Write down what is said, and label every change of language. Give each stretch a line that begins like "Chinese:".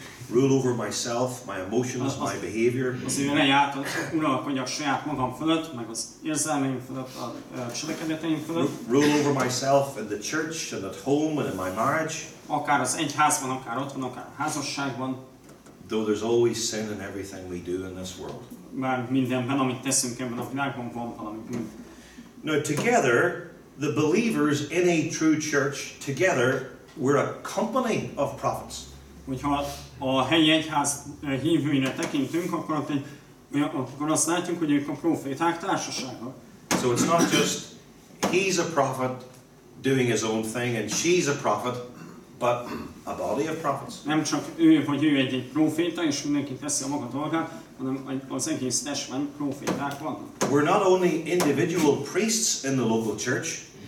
English: rule over myself, my emotions, az, my behavior.
Hungarian: Az ő eleje által uralkodjak saját magam fölött, meg az érzelmeim fölött, a cselekedeteim fölött.
English: Rule over myself in the church and at home and in my marriage.
Hungarian: Akár az egyházban, akár otthon, akár a házasságban.
English: Though there's always sin in everything we do in this world.
Hungarian: Már mindenben, amit teszünk ebben a világban, van valami bűn.
English: Now together, the believers in a true church, together, we're a company of prophets.
Hungarian: Hogyha a helyi egyház hívőire tekintünk, akkor azt látjuk, hogy ők a proféták társasága.
English: So it's not just he's a prophet doing his own thing and she's a prophet, but a body of prophets.
Hungarian: Nem csak ő vagy ő egy proféta, és mindenki teszi a maga dolgát, hanem az egész testben proféták vannak.
English: We're not only individual priests in the local church.